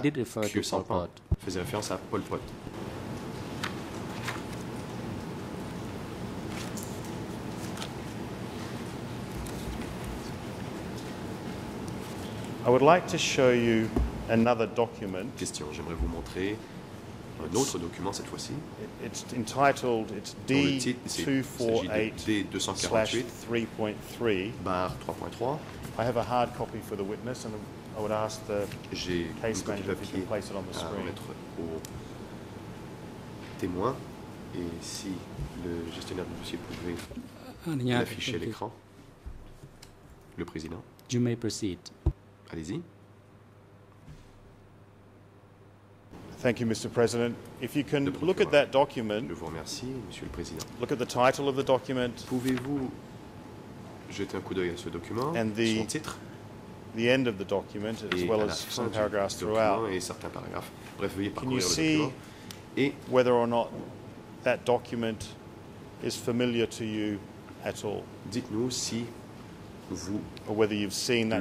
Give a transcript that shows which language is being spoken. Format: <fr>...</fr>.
<en>It did refer to Pol Pot. I would like to show you another document.</en> <fr>Question, j'aimerais vous montrer un autre document cette fois-ci.</fr> <en>It's entitled, it's D248/3.3. I have a hard copy for the witness, and I would ask the case manager if he can place it on the screen.</en> <fr>J'ai un mettre au témoin, et si le gestionnaire du dossier pouvait afficher l'écran, le président.</fr> <en>You may proceed.</en> <fr>Allez-y.</fr> <en>Thank you, Mr. President. If you can look at that document.</en> <fr>Je vous remercie, Monsieur le Président.</fr> <en>Look at the title of the document.</en> <fr>Pouvez-vous jeter un coup d'œil à ce document,</fr> <en>and</en> <fr>son titre?</fr> <en>The end of the document, as well as some paragraphs throughout.</en> <fr>Et certains paragraphes. Bref, veuillez parcourir le document.</fr> <en>Can you see whether or not that document is familiar to you at all?</en> <fr>Dites-nous si vous</fr> <en>or whether you've seen that</en>